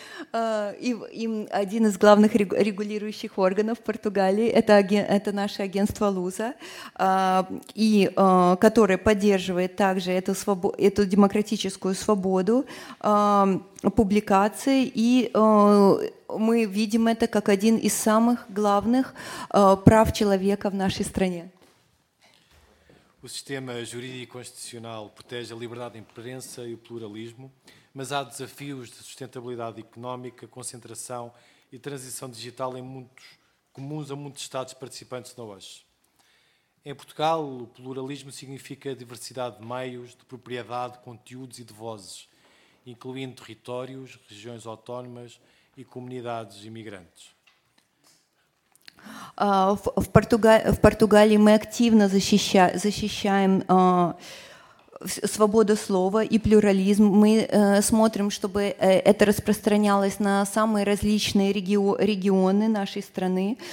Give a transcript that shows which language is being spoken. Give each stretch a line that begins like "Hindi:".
Russian: И один из главных регулирующих органов Португалии – это наше агентство Луза, которое поддерживает также эту демократическую свободу публикации, и мы видим это как один из самых главных прав человека в нашей стране.
Portuguese: O sistema jurídico constitucional protege a liberdade de imprensa e o pluralismo, mas há desafios de sustentabilidade económica, concentração e transição digital comuns a muitos Estados participantes da OAS. Em Portugal, o pluralismo significa diversidade de meios, de propriedade, conteúdos e de vozes, incluindo territórios, regiões autónomas e comunidades imigrantes.
Russian: В Португалии мы активно защищаем свободу слова и плюрализм. Мы смотрим, чтобы это распространялось на самые различные регионы нашей страны.